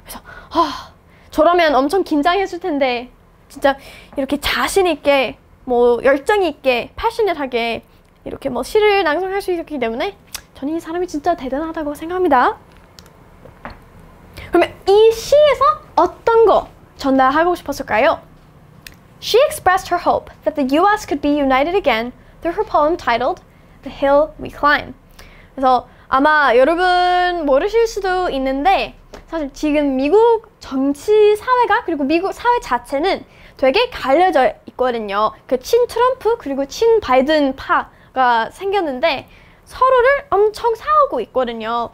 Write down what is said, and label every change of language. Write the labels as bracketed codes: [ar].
[ko] 그래서 저라면 엄청 긴장했을 텐데 진짜 이렇게 자신 있게 뭐 열정 있게 passionate하게 이렇게 뭐 시를 낭송할 수 있었기 때문에 저는 이 사람이 진짜 대단하다고 생각합니다. 그러면 이 시에서 어떤 거 전달하고 싶었을까요? [en] She expressed her hope that the U.S. could be united again through her poem titled The Hill We Climb. [ko] 그래서 아마 여러분 모르실 수도 있는데 사실 지금 미국 정치 사회가 그리고 미국 사회 자체는 되게 갈려져 있거든요. 그 친 트럼프 그리고 친 바이든 파 가 생겼는데 서로를 엄청 싸우고 있거든요.